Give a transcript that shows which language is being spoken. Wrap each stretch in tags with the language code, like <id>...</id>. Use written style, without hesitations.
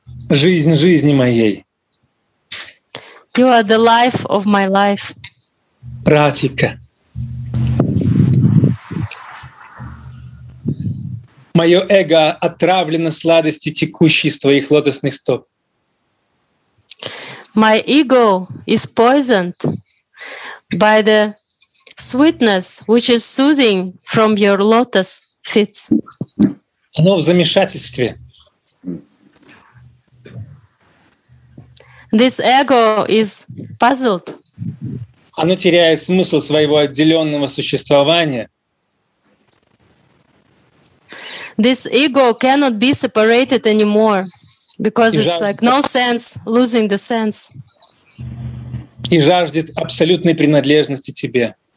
<ru>Жизнь жизни моей.</ru> <en>You are the life of my life.</en> <ru>Радхика. Мое эго отравлено сладостью текущей из твоих лотосных стоп.</ru> <en>My ego is poisoned by the sweetness which is soothing from your lotus feet.</en> <ru>Оно в замешательстве.</ru> <en>This ego is puzzled.</en> <ru>Оно теряет смысл своего отделенного существования.</ru> <en>This ego cannot be separated anymore, because it's like no sense losing the sense.</en> <ru>И жаждет абсолютной принадлежности тебе.</ru>